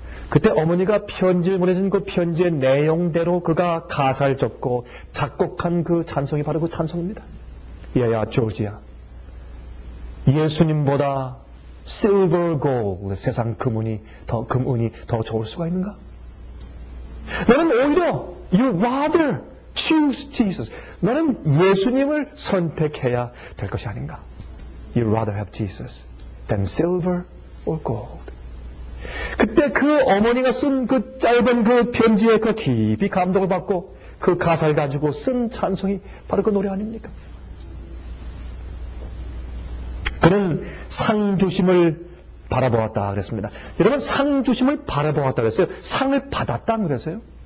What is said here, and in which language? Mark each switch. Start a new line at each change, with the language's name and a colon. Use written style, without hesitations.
Korean: 그때 어머니가 편지를 보내준 그 편지의 내용대로 그가 가사를 적고 작곡한 그 찬송이 바로 그 찬송입니다. 얘야, 조지야. 예수님보다
English: silver gold,
Korean: 세상 금은이 더 좋을 수가 있는가? 나는 오히려
English: you rather choose Jesus.
Korean: 나는 예수님을 선택해야 될 것이 아닌가?
English: You rather have Jesus than silver or gold.
Korean: 그때 그 어머니가 쓴 그 짧은 그 편지에 그 깊이 감동을 받고 그 가사를 가지고 쓴 찬송이 바로 그 노래 아닙니까? 그는 상 주심을 바라보았다 그랬습니다. 여러분, 상 주심을 바라보았다 그랬어요. 상을 받았다 그랬어요.